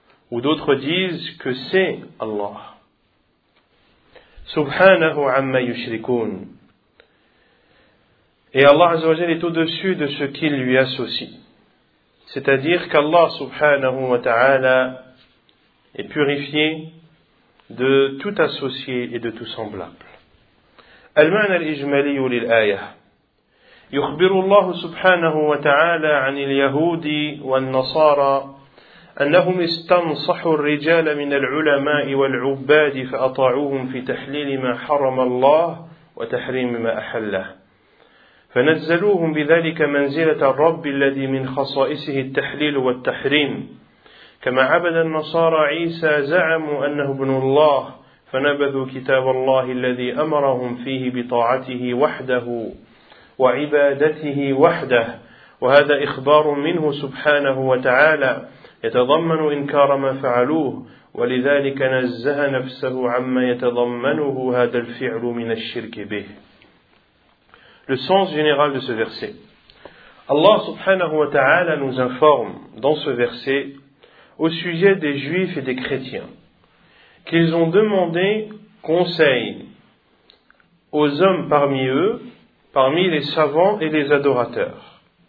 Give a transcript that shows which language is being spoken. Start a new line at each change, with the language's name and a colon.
French: Ou d'autres disent que c'est Allah.
Arabic: Subhanahu amma yushrikun.
French: Et Allah Azza wa Jalla est au-dessus de ce qu'il lui associe. C'est-à-dire qu'Allah subhanahu wa ta'ala et purifié de tout associé et de tout semblable.
Arabic: المعنى الإجمالي للآية يخبر الله سبحانه وتعالى عن اليهود والنصارى أنهم استنصحوا الرجال من العلماء والعباد فأطاعوهم في تحليل ما حرم الله وتحريم ما أحله فنزلوهم بذلك منزلة الرب الذي من خصائصه التحليل والتحريم كما عبد النصارى عيسى زعموا أنه ابن الله فنبذوا كتاب الله الذي أمرهم فيه بطاعته وحده وعبادته وحده وهذا إخبار منه سبحانه وتعالى يتضمن إنكار ما فعلوه ولذلك نزه نفسه عما يتضمنه هذا الفعل من الشرك به.
French: Le sens général de ce verset. Allah subhanahu wa ta'ala nous informe dans ce verset au sujet des Juifs et des Chrétiens qu'ils ont demandé conseil aux hommes parmi eux, parmi les savants et les adorateurs.